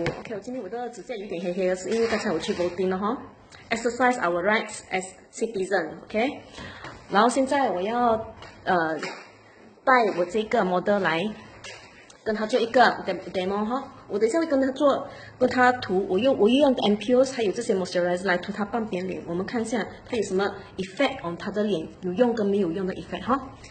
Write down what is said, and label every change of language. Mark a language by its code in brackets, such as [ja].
[zh] OK，我今天我的指甲有点黑黑的，是因为刚才我去 voting 了哈。 [en] Exercise our rights as citizen, OK? [zh] 然后现在我要带我这个 model 来跟他做一个 demo 哈。我等一下会跟他做，跟他涂。我用 MPOs 还有这些 moisturizer 来涂他半边脸。我们看一下他有什么 effect on 他的脸，有用跟没有用的 effect 哈。